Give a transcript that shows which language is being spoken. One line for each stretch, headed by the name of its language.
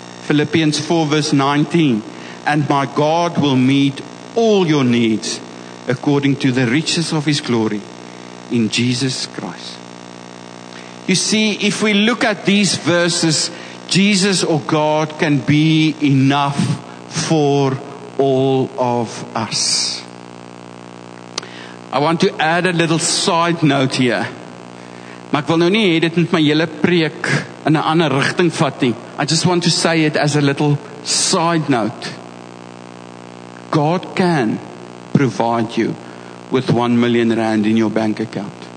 English: Philippians 4 verse 19. And My God will meet all your needs according to the riches of His glory in Jesus Christ. You see, if we look at these verses, Jesus or God can be enough for all of us. I want to add a little side note here.
Afrikaans: Maar ek wil nou nie hê dit moet my hele preek in 'n ander rigting vat nie.
English: I just want to say it as a little side note. God can provide you with 1 million rand in your bank account.